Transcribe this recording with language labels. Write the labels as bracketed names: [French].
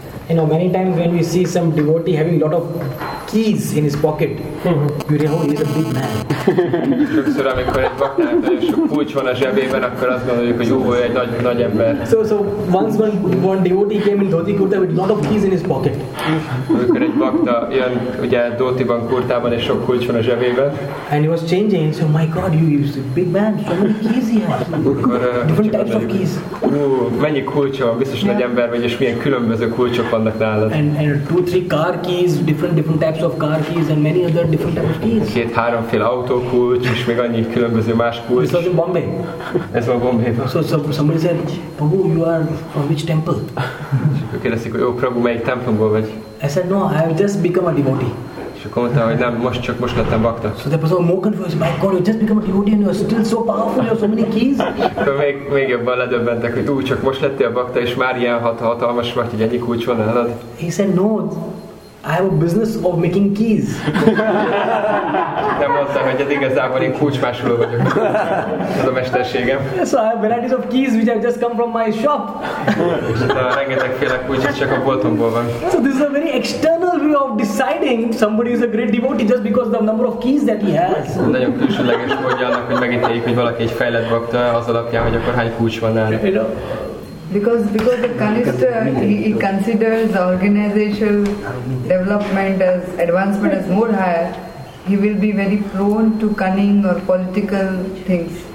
[English] You know, many times when we see some devotee having lot of keys in his pocket, you realize he's a big man. [Hungarian] Sokszor, amikor egy baktának nagyon sok kulcs van a zsebében, akkor azt gondoljuk, hogy jó, egy nagy, nagy ember. [English] So once one devotee came in dhoti kurta with lot of keys in his pocket. [Hungarian] Amikor egy bakta jön, ugye dhotiban, kurtában, és sok kulcs van a zsebében. [English] And he was changing, so my God, you use a big man, so many keys he has. Different types of keys. [Hungarian] Mennyi kulcsa van, biztos nagy ember vagy, és milyen különböző kulcsok vannak nálad. [English] And 2-3 car keys, different types of car keys and many other different types of keys. [Hungarian] 2-3 fél autókulcs és még annyi különböző más kulcs. [English] This was in Bombay. [Hungarian] Ez van Bombayban. [English] So somebody said, Prabhu, you are from which temple? [Hungarian] És kérdezték, hogy jó, Prabhu, melyik templomból vagy? [English] I said, no, I have just become a devotee. [Hungarian] És akkor mondtam, hogy nem, most csak most lettem bakta. [English] So the person more confused, my God, you just become a devotee and you are still so powerful, you have so many keys. [Hungarian] Akkor még jobban ledöbbentek, hogy csak most lettél bakta, és már ilyen hatalmas vagy, hogy ennyi kulcs van nálad. [English] He said, no, I have a business of making keys. [Hungarian] Nem mondtam, hogy igazából én kulcsmásoló vagyok. Ez a mesterségem. [English] So I have varieties of keys which have just come from my shop. [Hungarian] Rengeteg féle kulcs, csak a boltomból van. [English] So this is a very external way of deciding somebody is a great devotee just because of the number of keys that he has. [Hungarian] Nagyon külsőleges módja annak, hogy megítéljük, hogy valaki egy fejlett bakta az alapján, hogy akkor hány kulcs van nála. [English] Because the kanista, he considers the organizational development as advancement as more higher, he will be very prone to cunning or political things.